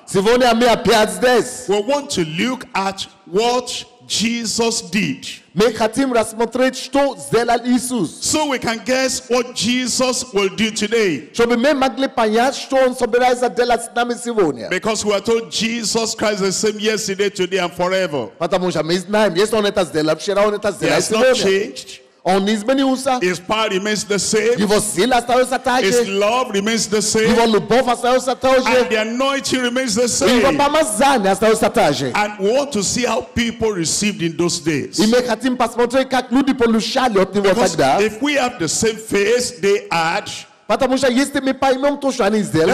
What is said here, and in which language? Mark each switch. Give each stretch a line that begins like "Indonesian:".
English: We want to look at what Jesus did.
Russian: Мы хотим рассмотреть, что сделал Иисус.
English: So we can guess what Jesus will do today.
Russian: Чтобы мы могли понять, что Он собирается делать с нами сегодня.
English: Because we are told Jesus Christ is the same yesterday, today, and forever.
Russian: Потому что мы знаем, если Он это сделал вчера, Он это сделает сегодня.
English: He has not changed.
Russian: Он изменился.
English: His power remains the same.
Russian: Его сила остается та же.
English: His love remains the same.
Russian: Его любовь остается та же.
English: And the anointing remains the same.
Russian: Его помазание остается та же.
English: And we want to see how people received in those days.
Russian: И мы хотим посмотреть, как люди получали от него тогда.
English: Because if we have the same faith they had.
Russian: Потому что если мы поймем то, что они сделали.